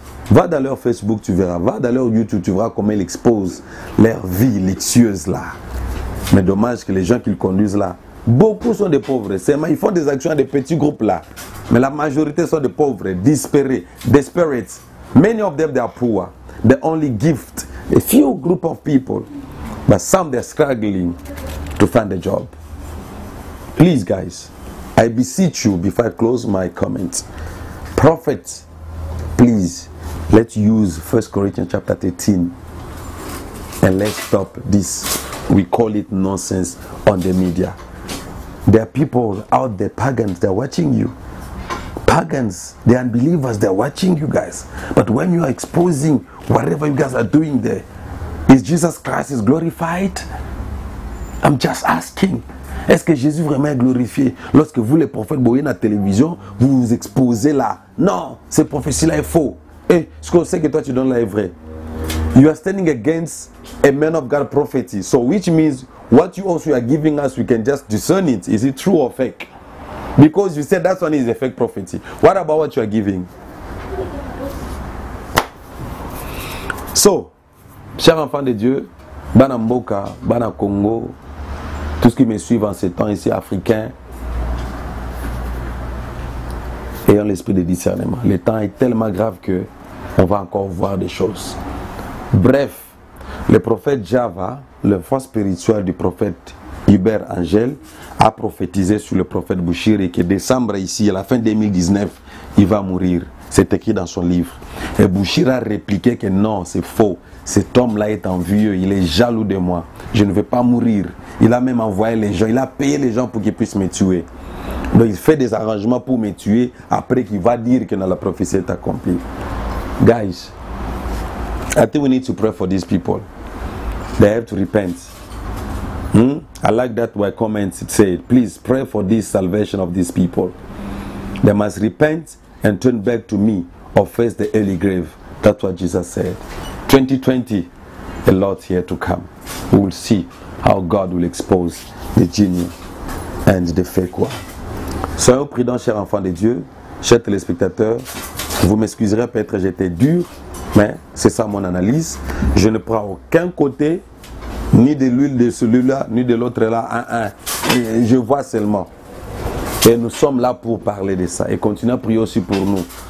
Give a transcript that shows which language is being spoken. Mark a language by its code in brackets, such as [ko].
[fr] Va dans leur Facebook, tu verras. Va dans leur YouTube, tu verras comment ils exposent leur vie luxueuse là. Mais dommage que les gens qu'ils conduisent là, beaucoup sont des pauvres. Ils font des actions à des petits groupes là. Mais la majorité sont des pauvres, désespérés, desperate. [en] Many of them, they are poor. The only gift, a few group of people. But some, they're struggling to find a job. Please, guys, I beseech you before I close my comments. Prophet, please, let's use 1 Corinthians chapter 13. And let's stop this. We call it nonsense on the media. There are people out there, pagans, they're watching you. Pagans, the unbelievers, they're watching you guys. But when you are exposing whatever you guys are doing there, is Jesus Christ is glorified? I'm just asking. [fr] Est-ce que Jésus vraiment est glorifié? Lorsque vous, les prophètes, voyez la télévision, vous vous exposez là. Non, ces prophéties-là est faux. Et ce qu'on sait que toi, tu donnes là est vrai. [en] You are standing against a man of God prophecy. So which means what you also are giving us, we can just discern it. Is it true or fake? Because you said that one is a fake prophecy. What about what you are giving? [fr] So, chers enfants de Dieu, Bana Mboka, Bana Congo, tous qui me suivent en ces temps ici, africains, ayant l'esprit de discernement. Le temps est tellement grave que on va encore voir des choses. Bref, le prophète Java, le fort spirituel du prophète Hubert Angel, a prophétisé sur le prophète Bouchiri que décembre ici, à la fin 2019, il va mourir. C'est écrit dans son livre. Et Bouchiri a répliqué que non, c'est faux. Cet homme-là est envieux, il est jaloux de moi. Je ne vais pas mourir. Il a même envoyé les gens, il a payé les gens pour qu'ils puissent me tuer. Donc il fait des arrangements pour me tuer après qu'il va dire que la prophétie est accomplie. [en] Guys, I think we need to pray for these people. They have to repent. I like that my comments said, please pray for this salvation of these people. They must repent and turn back to me or face the early grave. That's what Jesus said. 2020, a lot here to come. We will see how God will expose the genie and the fake one. [fr] Soyons prudents, chers enfants de Dieu, chers téléspectateurs. Vous m'excuserez, peut-être j'étais dur, mais c'est ça mon analyse. Je ne prends aucun côté, ni de l'une de celui-là, ni de l'autre là. Je vois seulement. Et nous sommes là pour parler de ça. Et continuez à prier aussi pour nous.